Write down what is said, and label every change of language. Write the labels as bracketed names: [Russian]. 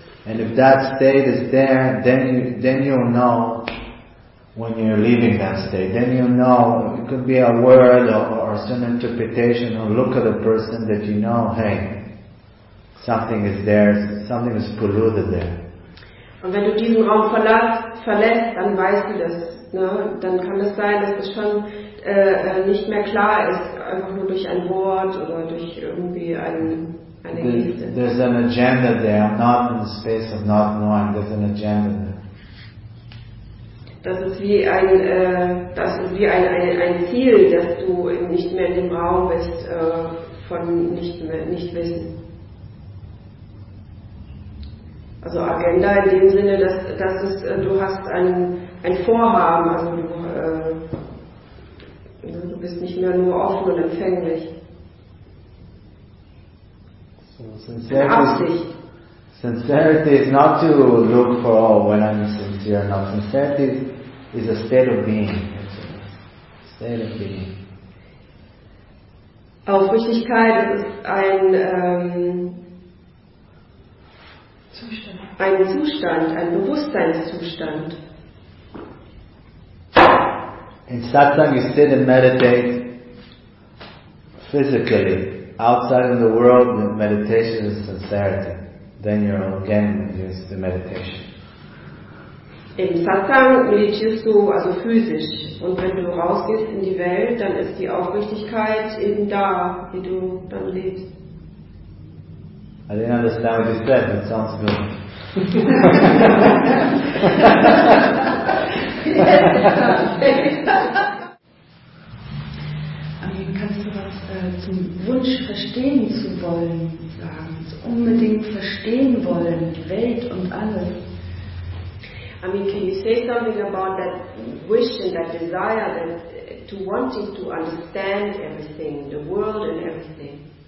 [English] And if that state is there, then you'll know when you're leaving that state. Then you know, it could be a word or some interpretation or look at a person that you know, hey, something is there, something is polluted there. [German] Und wenn du diesen Raum verlässt, dann weißt du das. Ne? Dann kann es sein, dass es schon nicht mehr klar ist, einfach nur durch ein Wort oder durch irgendwie einen. [English] There's an agenda there. I'm not in the space of not knowing. There's an agenda there. [German] Das ist wie ein Ziel, dass du nicht mehr in dem Raum bist von nicht wissen. Also Agenda in dem Sinne, dass du hast ein Vorhaben, also du bist nicht mehr nur offen und empfänglich. [English] Sincerity is not to look for, oh, when I'm sincere or not. Sincerity is a state of being. It's a state of being. [German] Aufrichtigkeit ist ein Zustand. Ein Zustand, ein Bewusstseinszustand. [English] In Satsang you sit and meditate physically. Outside in the world, the meditation is sincerity. Then you're again used to meditation. [German] In Satsang meditierst du also physisch. Und wenn du rausgehst in die Welt, dann ist die Aufrichtigkeit eben da, wie du dann lebst. [English] I didn't understand what you said, but it sounds good. [German] Zum Wunsch verstehen zu wollen, sagen, zu unbedingt verstehen wollen, die Welt und alles. [English] I mean, can you say something about that wish and that desire that to wanting to understand everything, the world and everything?